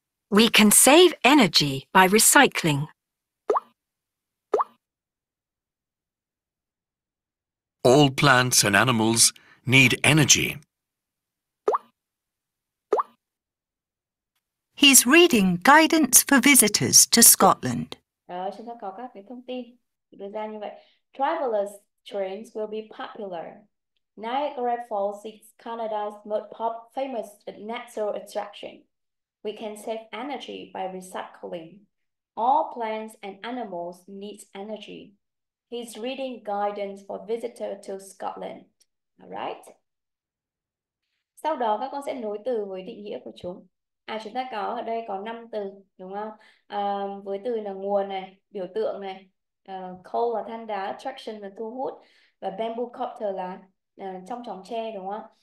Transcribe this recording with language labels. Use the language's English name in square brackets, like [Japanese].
[English] We can save energy by recycling. All plants and animals need energy. He's reading guidance for visitors to Scotland. [Vietnamese] Đó, chúng ta có các cái thông tin đưa ra như vậy. [English] Travelers trains will be popular. Niagara Falls is Canada's most famous natural attraction. We can save energy by recycling. All plants and animals need energy. He's reading guidance for visitors to Scotland. All right? [Vietnamese] Sau đó các con sẽ nối từ với định nghĩa của chúng. À, chúng ta có ở đây có 5 từ, đúng không? Với từ là nguồn này, biểu tượng này, coal là than đá, attraction là thu hút, và bamboo copter là trong chóng tre, đúng không?